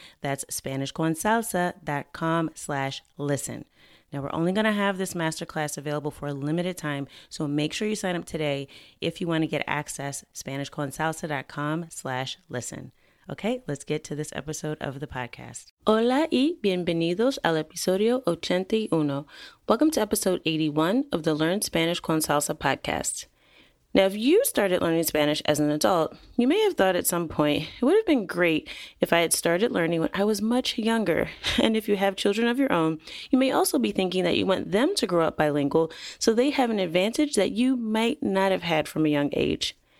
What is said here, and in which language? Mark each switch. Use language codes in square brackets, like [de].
[en] That's SpanishConSalsa.com/listen. Now, we're only going to have this masterclass available for a limited time, so make sure you sign up today if you want to get access, SpanishConSalsa.com/listen. Okay, let's get to this episode of the podcast. [es] Hola y bienvenidos al episodio 81. [en] Welcome to episode 81 of the Learn Spanish con Salsa podcast. Now, if you started learning Spanish as an adult, you may have thought at some point it would have been great if I had started learning when I was much younger. And if you have children of your own, you may also be thinking that you want them to grow up bilingual so they have an advantage that you might not have had from a young age.